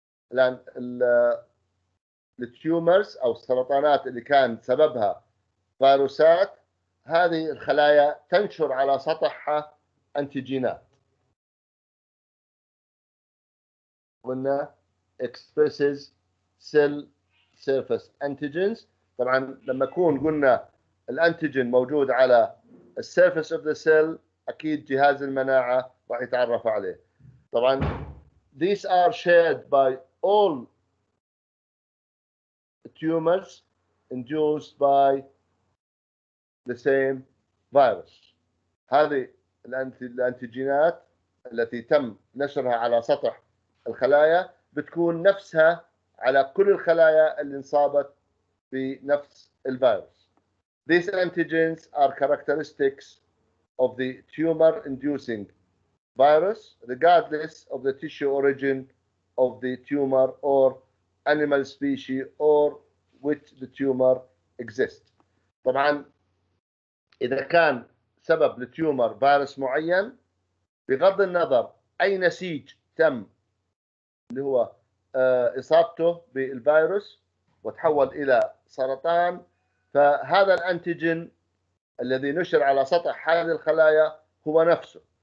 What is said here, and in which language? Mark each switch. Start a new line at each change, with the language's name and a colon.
Arabic: لان التيومرز او السرطانات اللي كان سببها فيروسات، هذه الخلايا تنشر على سطحها انتيجينات قلنا
English: expresses cell surface antigens.
Arabic: طبعا لما يكون قلنا الانتيجين موجود على السيرفيس اوف ذا سيل، اكيد جهاز المناعه راح يتعرف عليه. طبعا
English: these are shared by all tumors induced by the same virus.
Arabic: هذه الانتيجينات التي تم نشرها على سطح الخلايا بتكون نفسها على كل الخلايا اللي انصابت بنفس الفيروس.
English: These antigens are characteristics of the tumor-inducing virus, regardless of the tissue origin of the tumor or animal species or which the tumor exists.
Arabic: طبعاً إذا كان سبب للتيومر فيروس معين، بغض النظر أي نسيج تم اللي هو إصابته بالفيروس وتحول إلى سرطان، فهذا الأنتيجين الذي نشر على سطح هذه الخلايا هو نفسه،